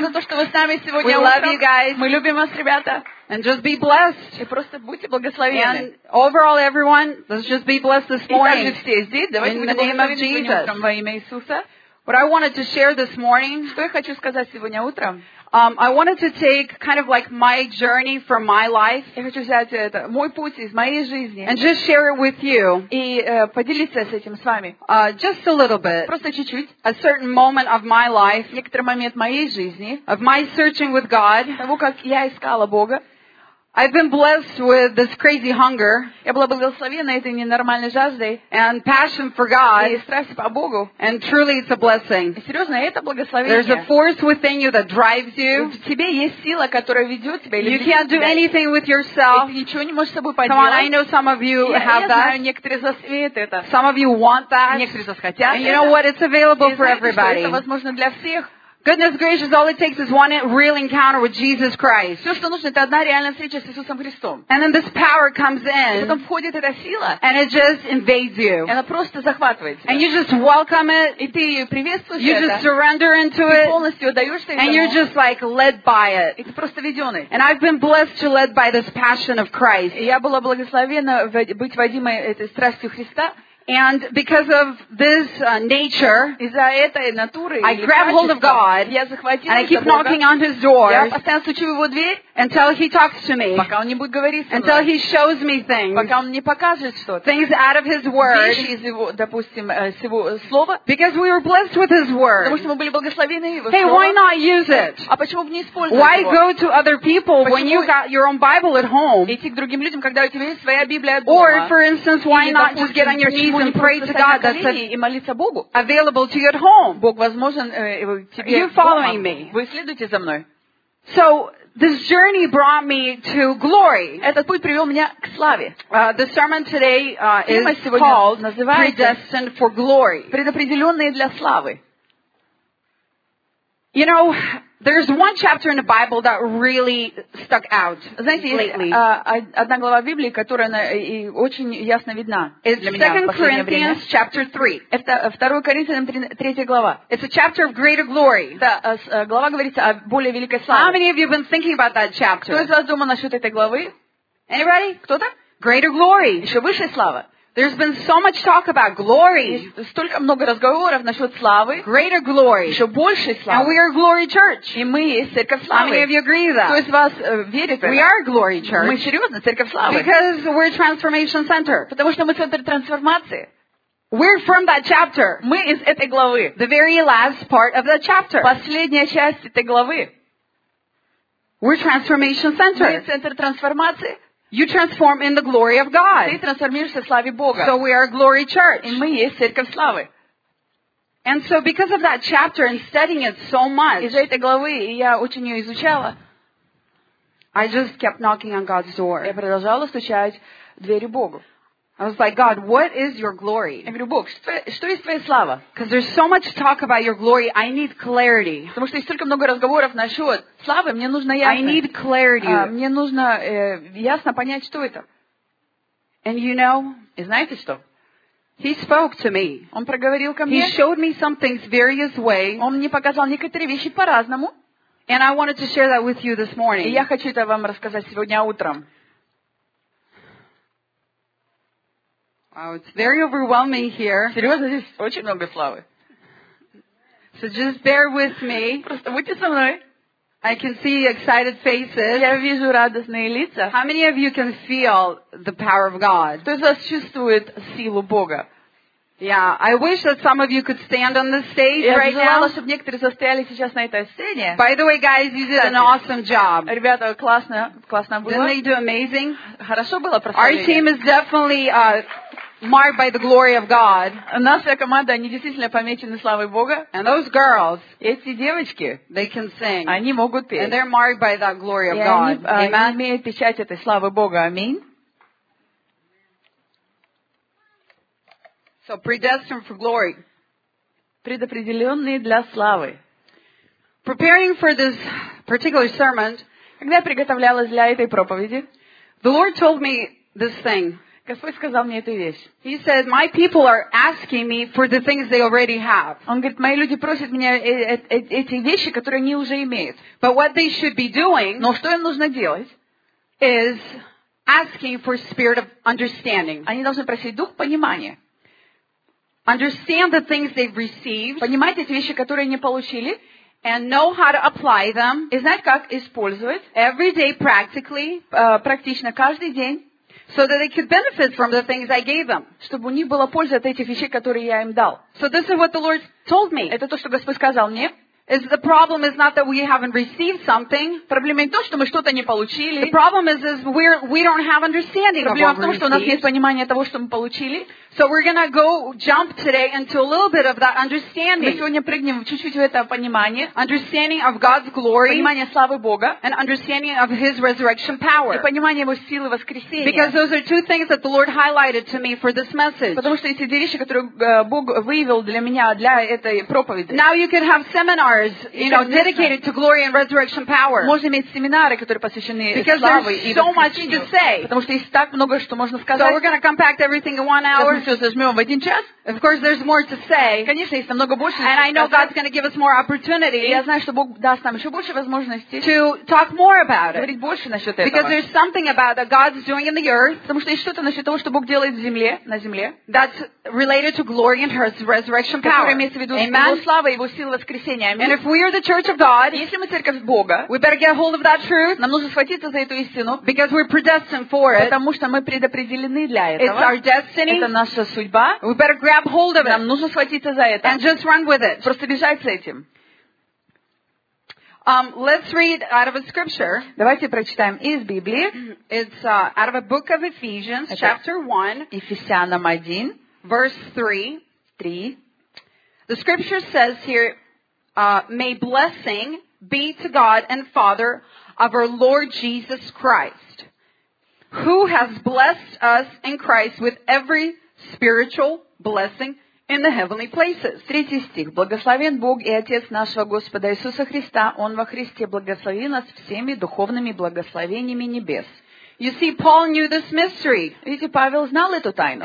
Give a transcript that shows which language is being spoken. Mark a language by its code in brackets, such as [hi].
[ru] Спасибо за то, что вы с нами сегодня. [en] We love you guys. [ru] Мы любим вас, ребята. [en] And just be blessed. [ru] И просто будьте благословены. [en] And overall, everyone, let's just be blessed this morning. [ru] Итак, все здесь. Давайте [en] in the name of Jesus. [ru] Во имя Иисуса. [en] What I wanted to share this morning. [ru] Что я хочу сказать сегодня утром. [en] I wanted to take kind of like my journey from my life. [ru] Я хочу взять это, мой путь из моей жизни. [en] And just share it with you. [ru] И поделиться с этим с вами. [en] Just a little bit. [ru] Просто чуть-чуть. [en] A certain moment of my life. [ru] Некоторый момент моей жизни. [en] Of my searching with God. [ru] Того, как я искала Бога. [en] I've been blessed with this crazy hunger. [ru] Я была благословена этой ненормальной жаждой. [en] And passion for God. [ru] И страсть по Богу. [en] And truly it's a blessing. [ru] Серьезно, это благословение. [en] There's a force within you that drives you. [ru] В тебе есть сила, которая ведет тебя. [en] You can't do anything with yourself. [ru] И ты ничего не можешь с собой поделать. [en] Come on, I know some of you have that. [ru] Я знаю, некоторые из вас имеют это. [en] Some of you want that. [ru] Некоторые из вас хотят. [en] And you know what? It's available for everybody. [ru] Это возможно для всех. [en] Goodness gracious, all it takes is one real encounter with Jesus Christ. [ru] Все, что нужно, это одна реальная встреча с Иисусом Христом. [en] And then this power comes in. [ru] И потом входит эта сила. [en] And it just invades you. [ru] И она просто захватывает тебя. [en] And you just welcome it. [ru] И ты приветствуешь [en] you [ru] это. [en] You just surrender into [ru] ты [en] it. [ru] Ты полностью отдаешься ему. [en] And you're just like led by it. [ru] И ты просто веденый. [en] And I've been blessed to led by this passion of Christ. [ru] И я была благословена быть водимой этой страстью Христа. [en] And because of this nature, [ru] из-за этой натуры, [en] I grab hold of God, [ru] я захватила [en] and I keep [ru] Бога, [en] knocking on His door, [ru] я постоянно стучу в его дверь, [en] until He talks to me, [ru] пока он не будет говорить со мной, [en] until He shows me things, [ru] пока он мне покажет что-то, [en] things out of His word, [ru] вещи из его, допустим, с его слова, [en] because we were blessed with His word, [ru] потому что мы были благословены его [en] hey, [ru] слово, [en] why not use it? [ru] А почему бы не использовать [en] why [ru] его? [en] Why go to other people when you got your own Bible at home? [ru] Идти к другим людям, когда у тебя есть своя Библия дома. [en] Or, for instance, why not just get on your knees? And pray to God that's available to you at home. [ru] Бог возможен тебе. [en] You following me? [ru] Вы следуйте за мной. [en] So this journey brought me to glory. [ru] Этот путь привел меня к славе. [en] The sermon today is called "Predestined for Glory." [ru] Предопределенные для славы. [en] You know. There's one chapter in the Bible that really stuck out [ru] Знаете, [en] lately. [ru] Одна глава Библии, которая и очень ясно видна. [en] It's 2 Corinthians chapter 3. [ru] Это 2 Коринфянам 3 глава. [en] It's a chapter of greater glory. [ru] Это глава говорится о более великой славе. [en] How many of you have been thinking about that chapter? [ru] Кто из вас думал насчет этой главы? [en] Anybody? [ru] Кто-то? [en] Greater glory. [ru] Еще высшая слава. [en] There's been so much talk about glory. [ru] Столько много разговоров насчет славы. [en] Greater glory. [ru] Еще большей славы. [en] And we are glory church. [ru] И мы есть церковь славы. [en] How many of you agree with that? [ru] Кто из вас верит в это? [en] We are glory church. [ru] Мы серьезно, церковь славы. [en] Because we're transformation center. [ru] Потому что мы центр трансформации. [en] We're from that chapter. [ru] Мы из этой главы. [en] The very last part of the chapter. [ru] Последняя часть этой главы. [en] We're transformation center. [ru] Мы центр трансформации. [en] You transform in the glory of God. [ru] Ты трансформируешься в славе Бога. [en] So we are glory church. [ru] И мы есть церковь славы. [en] And so because of that chapter and studying it so much. [ru] Из-за этой главы я очень ее изучала. [en] I just kept knocking on God's door. [ru] Я продолжала стучать в двери Бога. [en] I was like, God, what is your glory? [ru] Я говорю, Бог, что есть твоя слава? [en] Because there's so much talk about your glory, I need clarity. [ru] Потому что есть столько много разговоров насчет славы, мне нужно ясно. [en] I need clarity. [ru] Мне нужно ясно понять, что это. [en] And you know, [ru] и знаете что? [en] He spoke to me. [ru] Он проговорил ко мне. [en] He showed me some things various ways. [ru] Он мне показал некоторые вещи по-разному. [en] And I wanted to share that with you this morning. [ru] И я хочу это вам рассказать сегодня утром. [en] Wow, it's very overwhelming here. [ru] Серьезно, здесь очень много славы. [en] So just bear with me. [ru] Просто будьте со мной. [en] I can see excited faces. [ru] Я вижу радостные лица. [en] How many of you can feel the power of God? [ru] Кто из вас чувствует силу Бога? [en] Yeah, I wish that some of you could stand on the stage [ru] я [en] right now. [ru] Я желала, чтобы некоторые застояли сейчас на этой сцене. [en] By the way, guys, you did an awesome job. [ru] Ребята, классно, классно было. [en] Didn't they do amazing? [ru] Хорошо было прославление. [en] Our team is definitely marked by the glory of God. [ru] Наша команда, они действительно помечены славой Бога. [en] And those girls, [ru] эти девочки, [en] they can sing. [ru] Они могут петь. [en] And they're marked by that glory of God. [ru] Они имеют печать этой славы Бога. Аминь. [en] So predestined for glory. [ru] Предопределенные для славы. [en] Preparing for this particular sermon, [ru] когда я приготовлялась для этой проповеди, [en] the Lord told me this thing. [ru] Господь сказал мне эту вещь. [en] He said, my people are asking me for the things they already have. [ru] Он говорит, мои люди просят меня эти вещи, которые они уже имеют. [en] But what they should be doing, [ru] но что им нужно делать, [en] is asking for spirit of understanding. [ru] Они должны просить дух понимания. [en] Understand the things they've received. [ru] Понимать эти вещи, которые они получили. [en] And know how to apply them. [ru] И знать, как использовать. [en] Every day practically. [ru] Практично, каждый день. [en] So that they could benefit from the things I gave them. [ru] Чтобы у них была польза от этих вещей, которые я им дал. [en] So this is what the Lord told me. [ru] Это то, что Господь сказал мне. [en] Is the problem is not that we haven't received something. [ru] Проблема не то, что мы что-то не получили. [en] The problem is we don't have understanding of what [ru] Проблема в том, что у нас нет понимания того, что мы получили. [en] So we're gonna go jump today into a little bit of that understanding. [ru] Мы сегодня прыгнем чуть-чуть в это понимание. [en] Understanding of God's glory. [ru] Понимание славы Бога. [en] And understanding of His resurrection power. [ru] И понимание Его силы воскресения. [en] Because those are two things that the Lord highlighted to me for this message. [ru] Потому что эти две вещи, которые Бог выявил для меня для этой проповеди. [en] Now you can have seminar. You know, dedicated to glory and resurrection power. [ru] Можно иметь семинары, которые посвящены славе и воскресению. [en] Because there's so much to say. [ru] Потому что есть так много, что можно сказать. [en] So we're going to compact everything in 1 hour. [ru] Сейчас мы все зажмем в один час. [en] Of course, there's more to say. [ru] Конечно, есть намного больше. [en] And I know God's going to give us more opportunity. [ru] Я знаю, что Бог даст нам еще больше возможностей. [en] To talk more about it. [ru] Говорить больше насчет этого. [en] Because there's something about that God's doing in the earth. [ru] Потому что есть что-то насчет того, что Бог делает в земле, на земле. [en] That's related to glory and His resurrection power. [ru] Которое имеется в виду Его слава и Его силы воскресения. [en] And if we are the church of God, [ru] если мы церковь Бога, [en] we better get hold of that truth. [ru] Нам нужно схватиться за эту истину, [en] because we're predestined for it. [ru] Потому что мы предопределены для этого. [en] It's our destiny. [ru] Это наша судьба. [en] We better grab hold of it. [ru] Нам нужно схватиться за это. [en] And just run with it. [ru] Просто бежать с этим. [en] Let's read out of a scripture. [ru] Давайте прочитаем из Библии. [en] It's out of a book of Ephesians, chapter 1. [ru] Ефесянам 1. [en] Verse 3. The scripture says here. May blessing be to God and Father of our Lord Jesus Christ, who has blessed us in Christ with every spiritual blessing in the heavenly places. [ru] Третий стих. Благословен Бог и Отец нашего Господа Иисуса Христа. Он во Христе благословил нас всеми духовными благословениями небес. [en] You see, Paul knew this mystery. [ru] Видите, Павел знал эту тайну.